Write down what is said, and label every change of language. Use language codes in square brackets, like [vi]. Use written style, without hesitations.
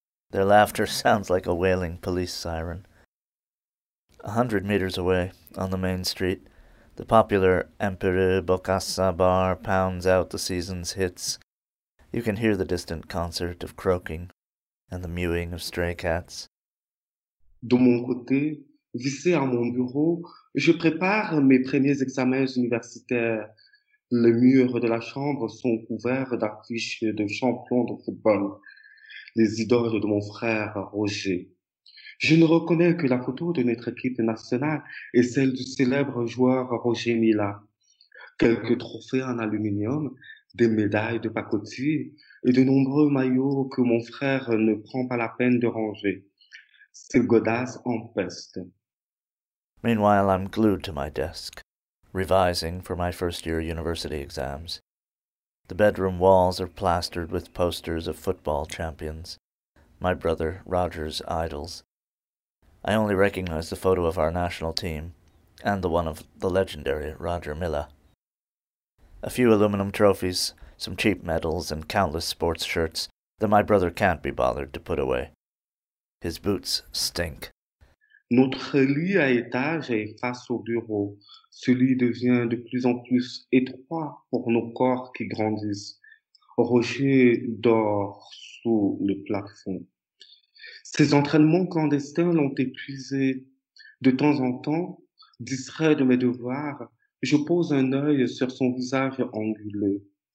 [en] Their laughter sounds like a wailing police siren. 100 meters away, on the main street, the popular Empereur Bokassa bar pounds out the season's hits. You can hear the distant concert of croaking and the mewing of stray cats. [fr] De mon côté, vissé à mon bureau, je prépare mes premiers examens universitaires. Les murs de la chambre sont couverts d'affiches de champions de football, les idoles de mon frère Roger. Je ne reconnais que la photo de notre équipe nationale et celle du célèbre joueur Roger Milla. Quelques trophées en aluminium, des médailles de pacotille et de nombreux maillots que mon frère ne prend pas la peine de ranger. Ces godasses empestent. [en] Meanwhile, I'm glued to my desk, revising for my first-year university exams. The bedroom walls are plastered with posters of football champions, my brother Roger's idols. I only recognize the photo of our national team, and the one of the legendary Roger Miller. A few aluminum trophies, some cheap medals, and countless sports shirts that my brother can't be bothered to put away. His boots stink. [fr] Notre lit à étage est face au bureau. Ce lit devient de plus en plus étroit pour nos corps qui grandissent. Roger dort sous le plafond. Ses entraînements clandestins l'ont épuisé. De temps en temps, distrait de mes devoirs, je pose un œil sur son visage anguleux.